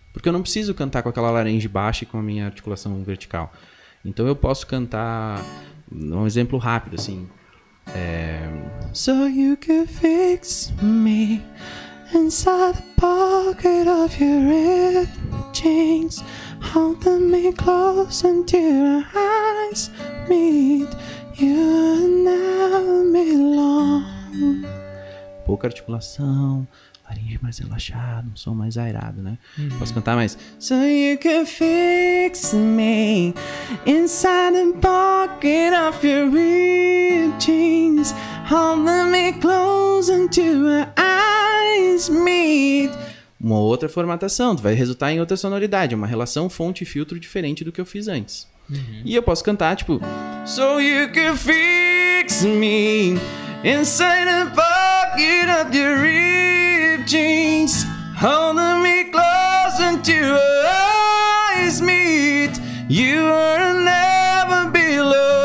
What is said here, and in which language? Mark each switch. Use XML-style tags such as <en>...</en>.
<pt>Porque eu não preciso cantar com aquela laringe baixa e com a minha articulação vertical. Então eu posso cantar, um exemplo rápido, assim.</pt> <en>So you can fix me inside the pocket of your ripped jeans. Holding me close until our eyes meet. You're never me long.</en> <pt>Pouca articulação, laringe mais relaxada, um som mais aerado, né? Uhum. Posso cantar mais?</pt> <en>So you can fix me inside the pocket of your ripped jeans. Holding me close until our eyes meet.</en> <pt>Uma outra formatação, vai resultar em outra sonoridade, uma relação fonte-filtro diferente do que eu fiz antes. Uhum. E eu posso cantar, tipo...</pt> <en>So you can fix me inside the pocket of your ripped jeans. Holding me close until our eyes meet. You are never below.</en>